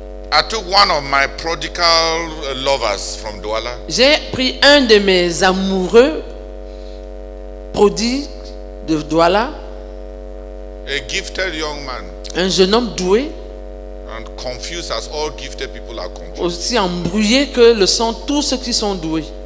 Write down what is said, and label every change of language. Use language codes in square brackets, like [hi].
[en] I took one of my prodigal lovers from Douala. [fr] J'ai pris un de mes amoureux prodigues de Douala. [en] A gifted young man. [fr] Un jeune homme doué. [en] And confused as all gifted people are confused. [fr] Aussi embrouillé que le sont tous ceux qui sont doués.